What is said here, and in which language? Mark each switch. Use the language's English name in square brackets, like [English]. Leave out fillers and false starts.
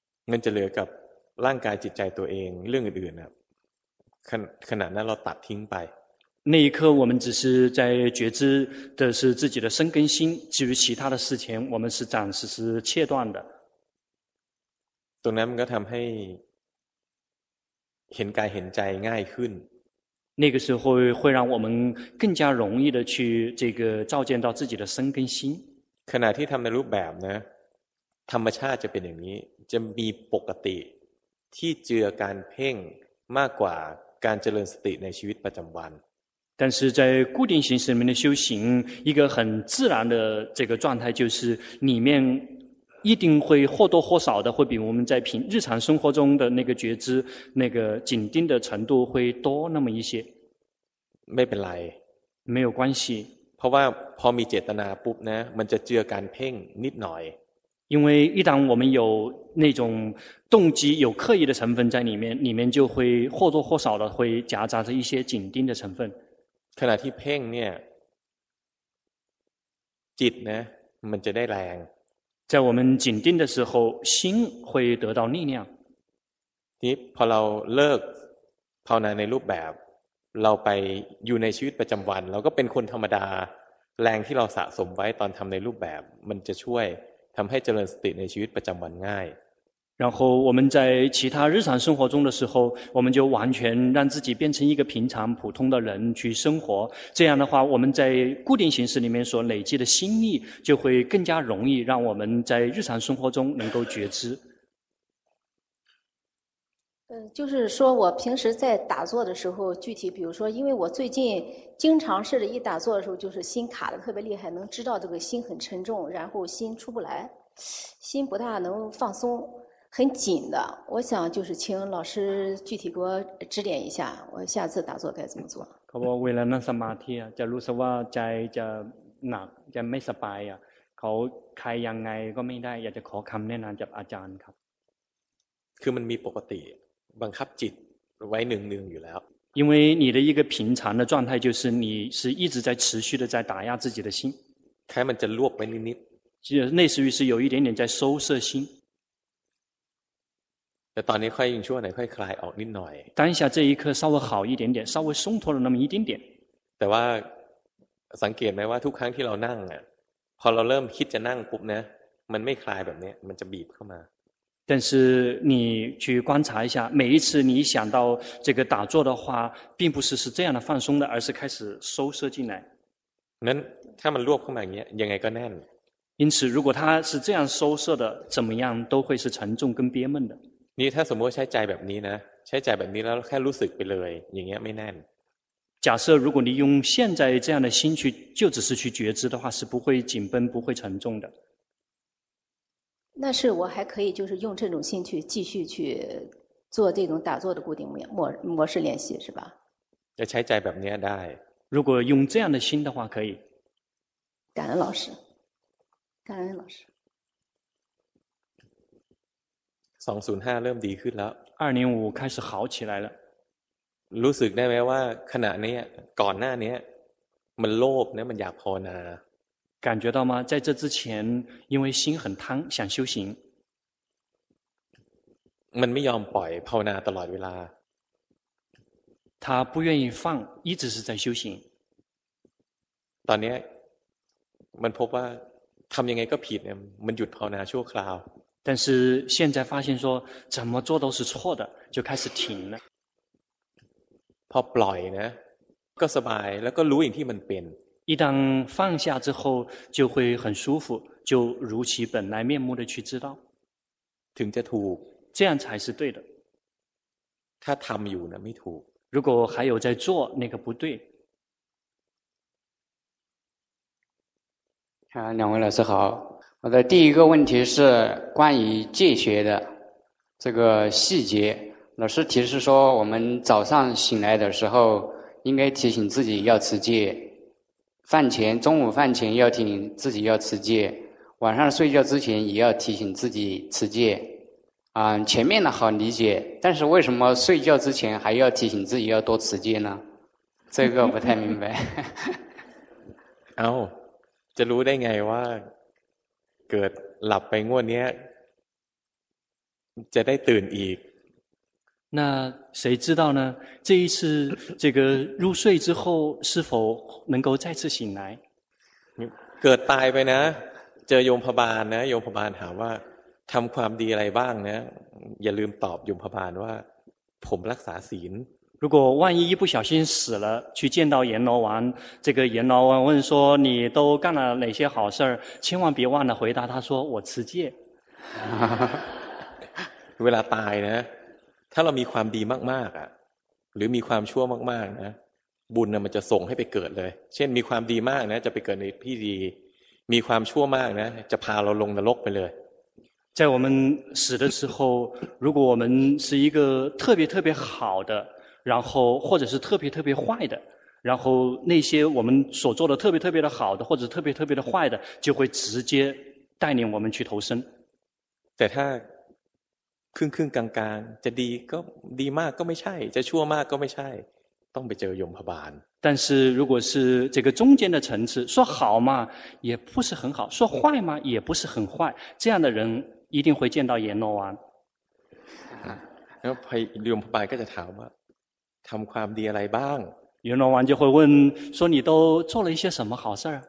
[Thai] มันจะเหลือกับร่างกายจิตใจตัวเองเรื่องอื่นๆนะขณะนั้นเราตัดทิ้งไป [Chinese] 那一刻我们只是在觉知的是自己的身跟心至于其他的事情我们是暂时是切断的 [Thai] ตรงนั้นมันก็ทำให้เห็นกายเห็นใจง่ายขึ้น [Chinese] 那个时候会让我们更加容易的去这个照见到自己的身跟心 [Thai] ขณะที่ทำในรูปแบบนะธรรมชาติจะเป็นอย่างนี้จะมีปกติที่เจือการเพ่งมากกว่าการเจริญสติในชีวิตประจำวัน [Chinese] 但是在固定形式里面的修行一个很自然的这个状态就是里面一定会或多或少的会比我们在平日常生活中的那个觉知那个紧盯的程度会多那么一些 [Thai] ไม่เป็นไร [Chinese] 没有关系 [Thai] เพราะว่าพอมีเจตนาปุ๊บนะมันจะเจือการเพ่งนิดหน่อย [Chinese] 因为一旦我们有那种动机有刻意的成分在里面就会或多或少的会夹杂着一些紧盯的成分 [Thai] ขณะที่เพ่งเนี่ยจิตนะมันจะได้แรง [Chinese] 在我们紧盯的时候心会得到力量 [Thai] ทีพอเราเลิกภาวนาในรูปแบบเราไปอยู่ในชีวิตประจำวันเราก็เป็นคนธรรมดาแรงที่เราสะสมไว้ตอนทำในรูปแบบมันจะช่วยทำให้เจริญสติในชีวิตประจำวันง่าย [Chinese] 然后我们在其他日常生活中的时候我们就完全让自己变成一个平常普通的人去生活这样的话我们在固定形式里面所累积的心力就会更加容易让我们在日常生活中能够觉知就是说我平时在打坐的时候具体比如说因为我最近经常是一打坐的时候就是心卡得特别厉害能知道这个心很沉重然后心出不来心不大能放松很紧的我想就是请老师具体给我指点一下我下次打坐该怎么做 [Thai] เขาบอกเวลานั่งสมาธิอ่ะจะรู้สึกว่าใจจะหนักจะไม่สบายอ่ะเขาใครยังไงก็ไม่ได้อยากจะขอคำแนะนำจากอาจารย์ครับ คือมันมีปกติบังคับจิตไว้หนึ่งหนึ่งอยู่แล้ว [Chinese] 因为你的一个平常的状态就是你是一直在持续的在打压自己的心 [Thai] แค่มันจะรวบไว้นิดนิด [Chinese] 就类似于是有一点点在收摄心 [Thai] แต่ตอนนี้ค่อยยิ่งช่วยหน่อยค่อยคลายออกนิดหน่อย [Chinese] 当下这一刻稍微好一点点稍微松脱了那么一点点 [Thai] แต่ว่าสังเกตไหมว่าทุกครั้งที่เรานั่งอ่ะพอเราเริ่มคิดจะนั่งปุ๊บนะมันไม่คลายแบบนี้มันจะบีบเข้ามา [Chinese] 但是你去观察一下每一次你想到这个打坐的话并不是是这样的放松的而是开始收摄进来 [Thai] นั้นถ้ามันรวบเข้ามาอย่างนี้ยังไงก็แน่น [Chinese] 因此如果它是这样收摄的怎么样都会是沉重跟憋闷的 [Thai] นี่ถ้าสมมติใช้ใจแบบนี้นะใช้ใจแบบนี้แล้วแค่รู้สึกไปเลยอย่างเงี้ยไม่แน่น [Chinese] 假设如果你用现在这样的心去就只是去觉知的话是不会紧绷不会沉重的那是我还可以就是用这种心去继续去做这种打坐的固定模式练习是吧要 [Thai] ใช้ใจแบบนี้ได้ [Chinese] 如果用这样的心的话可以感恩老师感恩老师 [Thai] 205เริ่มดีขึ้นแล้ว [Chinese] 205开始好起来了 [Thai] รู้สึกได้ไหมว่าขณะนี้ก่อนหน้านี้มันโลภนะมันอยากภาวนา [Chinese] 感觉到吗在这之前因为心很贪想修行 [Thai] มันไม่ยอมปล่อยภาวนาตลอดเวลา [Chinese] 他不愿意放一直是在修行 [Thai] ตอนนี้มันพบว่าทำยังไงก็ผิดเนี่ยมันหยุดภาวนาชั่วคราว [Chinese] 但是现在发现说怎么做都是错的就开始停了 [Thai] พอปล่อยนะก็สบายแล้วก็รู้อย่างที่มันเป็น [Chinese] 一旦放下之后就会很舒服就如其本来面目的去知道 [Thai] ถึงจะถูก [Chinese] 这样才是对的 [Thai] ถ้าทำอยู่นะไม่ถูก [Chinese] 如果还有在做那个不对两位老师好我的第一个问题是关于戒学的这个细节老师提示说我们早上醒来的时候应该提醒自己要持戒饭前中午饭前要提醒自己要持戒晚上睡觉之前也要提醒自己持戒前面的好理解但是为什么睡觉之前还要提醒自己要多持戒呢这个不太明白 [Thai] 哦จะรู้ได้ไงว่าเกิดหลับไปง่วงเนี้ย จะได้ตื่นอีก [Chinese] 那谁知道呢这一次这个入睡之后是否能够再次醒来 [Thai] เกิดตายไปนะเจอโยมพบาลนะโยมพบาลถามว่าทำความดีอะไรบ้างนะอย่าลืมตอบโยมพบาลว่าผมรักษาศีล [Chinese] 如果万一一不小心死了去见到阎罗王这个阎罗王问说你都干了哪些好事千万别忘了回答他说我持戒 [Thai] เวลาตายนะถ้าเรามีความดีมากๆหรือมีความชั่วมากๆนะบุญนะมันจะส่งให้ไปเกิดเลยเช่นมีความดีมากนะจะไปเกิดในที่ดีมีความชั่วมากนะจะพาเราลงนรกไปเลย [Chinese] 在我们死的时候如果我们是一个特别特别好的然后或者是特别特别坏的然后那些我们所做的特别特别的好的或者特别特别的坏的就会直接带领我们去投生 [Thai] แต่ถ้าครึ่งครึ่งกลางกลางจะดีก็ดีมากก็ไม่ใช่จะชั่วมากก็ไม่ใช่ต้องไปเจอยมพบาล [Chinese] 但是如果是这个中间的层次说好嘛也不是很好说坏嘛也不是很坏这样的人一定会见到阎罗王 [Thai] แล้วพยมพบาลก็จะถามว่าทำความดีอะไรบ้าง [Chinese] 阎罗王就会问说你都做了一些什么好事